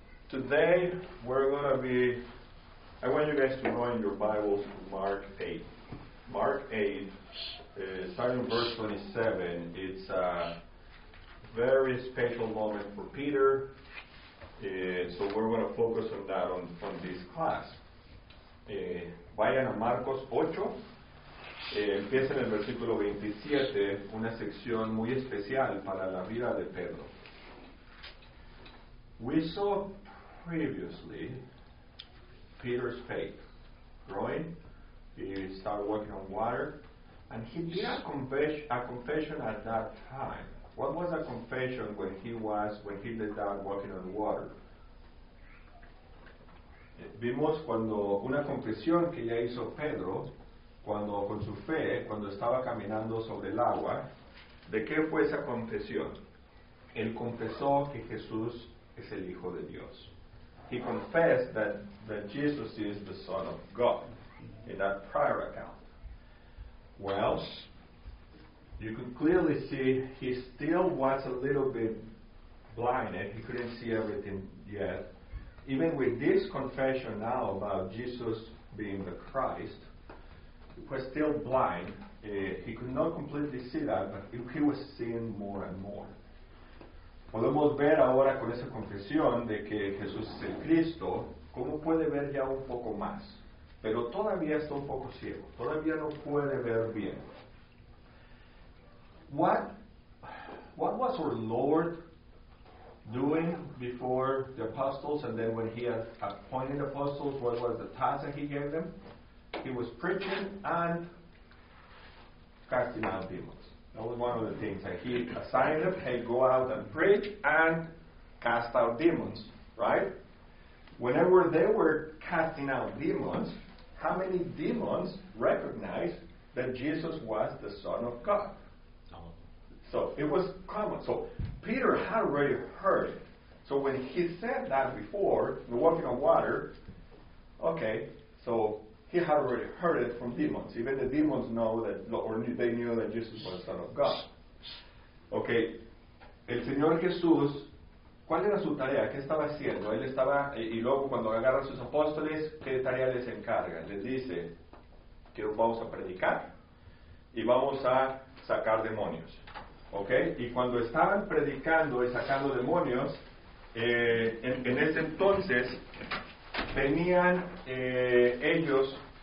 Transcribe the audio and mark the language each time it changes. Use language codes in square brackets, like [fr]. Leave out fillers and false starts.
[en] Today, we're going to be, I want you guys to know in your Bibles, Mark 8. Mark 8, starting verse 27, it's a very special moment for Peter. So we're going to focus on that on this class. [es] Vayan a Marcos 8. Empieza en el versículo 27, una sección muy especial para la vida de Pedro. [en] We saw previously Peter's faith growing. He started walking on water, and he did a confession at that time. What was a confession when he let down walking on water? [es] Vimos cuando una confesión que ya hizo Pedro, cuando con su fe, cuando estaba caminando sobre el agua, ¿de qué fue esa confesión? Él confesó que Jesús es el Hijo de Dios. [en] He confessed that Jesus is the Son of God in that prior account. Well, you could clearly see he still was a little bit blinded. He couldn't see everything yet. Even with this confession now about Jesus being the Christ, he was still blind. He could not completely see that, but he was seeing more and more. [es] Podemos ver ahora con esa confesión de que Jesús es el Cristo, cómo puede ver ya un poco más. Pero todavía está un poco ciego, todavía no puede ver bien. [en] What was our Lord doing before the apostles, and then when he had appointed apostles, what was the task that he gave them? He was preaching and casting out demons. That was one of the things that he assigned them. Hey, go out and preach and cast out demons, right? Whenever they were casting out demons, how many demons recognized that Jesus was the Son of God? So it was common. So Peter had already heard it. So when he said that before, the walking on water, okay, so he had already heard it from demons. Even the demons know that, or they knew that Jesus was the Son of God. [es] Okay, el Señor Jesús, ¿cuál era su tarea? ¿Qué estaba haciendo? Él estaba, y luego cuando agarra a sus apóstoles, ¿qué tarea les encarga? Les dice que vamos a predicar y vamos a sacar demonios. Okay, y cuando estaban predicando y sacando demonios, en ese entonces venían ellos.